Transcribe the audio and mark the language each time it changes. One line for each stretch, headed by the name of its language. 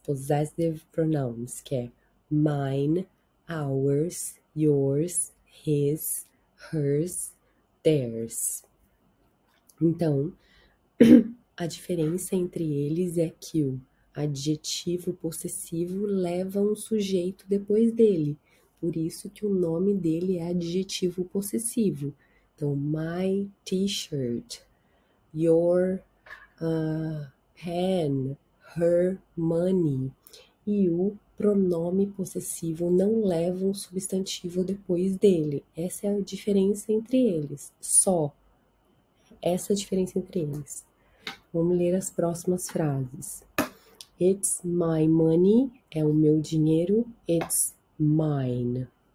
English: Possessive pronouns,
Portuguese: que é
English: mine, ours, yours, his, hers, theirs.
Portuguese: Então, a diferença entre eles é que o adjetivo possessivo leva um sujeito depois dele. Por isso que o nome dele é adjetivo possessivo. Então,
English: my t-shirt, your pen, her money.
Portuguese: E o pronome possessivo não leva um substantivo depois dele. Essa é a diferença entre eles. Só essa é a diferença entre eles. Vamos ler as próximas frases.
English: It's my money,
Portuguese: é o meu dinheiro,
English: it's mine.